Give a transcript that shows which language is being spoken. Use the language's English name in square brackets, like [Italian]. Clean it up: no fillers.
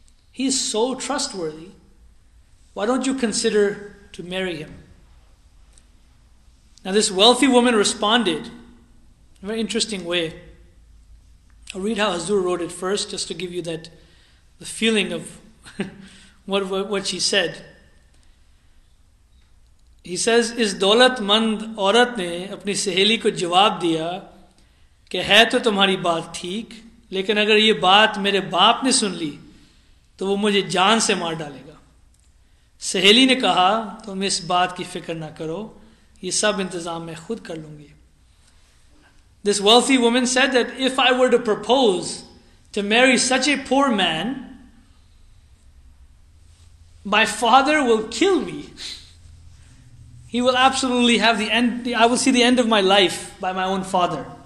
[English] He's so trustworthy. Why don't you consider to marry him? Now this wealthy woman responded in a very interesting way. I'll read how Hazur wrote it first, just to give you that the feeling of what she said. He says, [Urdu] "اس دولت مند عورت نے اپنی سہیلی کو جواب دیا کہ ہے تو تمہاری بات ٹھیک, لیکن اگر یہ بات میرے باپ نے سن لی تو وہ مجھے جان سے مار ڈالے گا." سہیلی نے کہا, "تم اس بات کی فکر نہ کرو, یہ سب انتظام میں خود کر لوں گی." [English] This wealthy woman said that if I were to propose to marry such a poor man, my father will kill me. He will absolutely have the end. I will see the end of my life by my own father.